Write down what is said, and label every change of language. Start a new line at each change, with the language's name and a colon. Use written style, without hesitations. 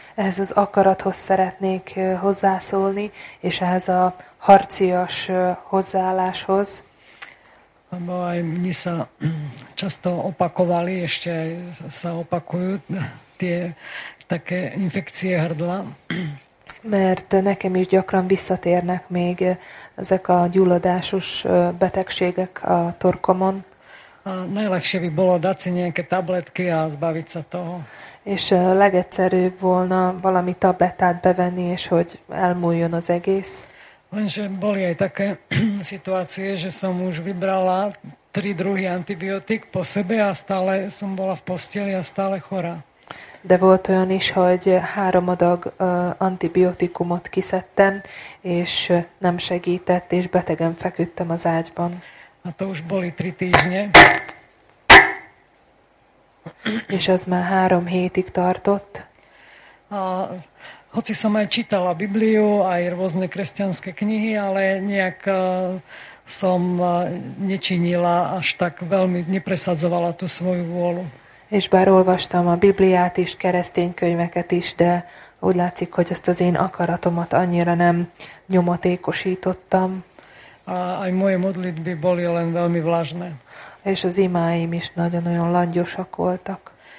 Hungarian: Ez az akarathoz szeretnék hozzászólni, és ehhez a harcias hozzáálláshoz.
Slovak: Lebo aj mne sa často opakovali, ešte aj sa opakujú tie také infekcie hrdla.
Hungarian: Mert nekem is gyakran visszatérnek még ezek a gyulladásos betegségek a torkomon.
Slovak: A najlepšie by bolo dať si nejaké tabletky a zbaviť sa toho.
Hungarian: És legegyszerűbb volna valami tablettát bevenni, és hogy elmúljon az egész.
Slovak: Lenže boli aj také situácie, že som už vybrala 3 druhy antibiotik po sebe a stále som bola v posteli a stále chorá.
Hungarian: De volt olyan is, hogy 3 adag antibiotikumot kiszedtem, és nem segített, és betegen feküdtem az ágyban.
Slovak: A to už boli 3 týždne.
Hungarian: És az már 3 hétig tartott.
Slovak: A hoci som aj čítala Bibliu, aj rôzne kresťanské knihy, ale nejak som nečinila až tak veľmi, nepresadzovala tú svoju vôľu.
Hungarian: És bár olvastam a Bibliát is, keresztény könyveket is, de úgy látszik, hogy ezt az én akaratomat annyira nem nyomatékosítottam.
Slovak: Aj moje modlitby boli len veľmi vlažné.
Hungarian: És az imáim is nagyon-nagyon langyosak voltak.